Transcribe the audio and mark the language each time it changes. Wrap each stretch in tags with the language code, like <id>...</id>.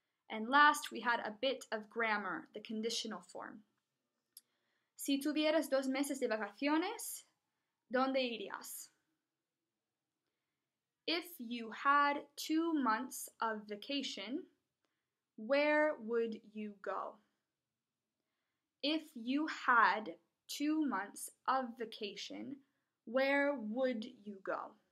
<en>And last, we had a bit of grammar, the conditional form.</en> <es>Si tuvieras dos meses de vacaciones, ¿dónde irías?</es> <en>If you had 2 months of vacation, where would you go? If you had 2 months of vacation, where would you go?</en>